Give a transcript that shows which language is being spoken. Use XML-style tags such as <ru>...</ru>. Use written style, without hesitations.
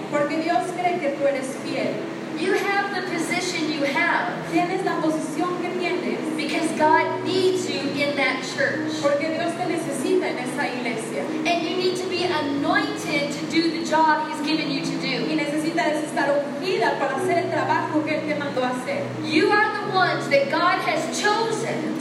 <es>Porque Dios cree que tú eres fiel.</es> <en>You have the position you have.</en> <es>Tienes la posición que tienes.</es> <en>Because God needs you in that church.</en> <es>Porque Dios te necesita en esa iglesia.</es> <en>And you need to be anointed to do the job He's given you to do.</en> <es>Y necesitas estar ungida para hacer el trabajo que Él te mandó hacer.</es> <en>You are the ones that God has chosen.</en>